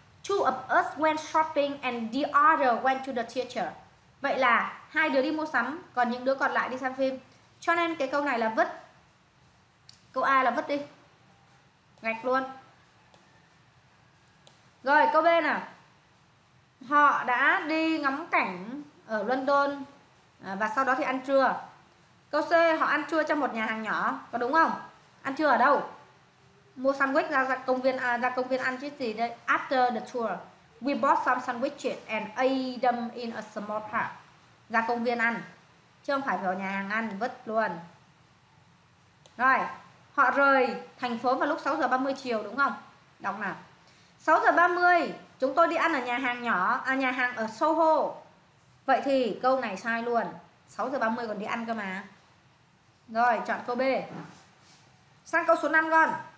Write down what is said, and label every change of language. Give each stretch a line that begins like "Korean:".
English: Two of us went shopping and the other went to the theater.
Vietnamese: Vậy là hai đứa đi mua sắm, còn những đứa còn lại đi xem phim. Cho nên cái câu này là vứt. Câu A là vứt đi. Gạch luôn. Rồi câu B nè. Họ đã đi ngắm cảnh ở London và sau đó thì ăn trưa. Câu C, họ ăn trưa trong một nhà hàng nhỏ, có đúng không? Ăn trưa ở đâu? Mua sandwich ra công viên ăn chứ gì đấy.
English: After the tour, we bought some sandwiches and ate them in a small park.
Vietnamese: Ra công viên ăn, chứ không phải vào nhà hàng ăn, vứt luôn. Rồi, họ rời thành phố vào lúc 6:30 chiều, đúng không? Đọc nào. 6:30, chúng tôi đi ăn ở nhà hàng nhỏ, à nhà hàng ở Soho. Vậy thì câu này sai luôn. 6:30 còn đi ăn cơ mà. Rồi, chọn câu B. Sang câu số 5 con.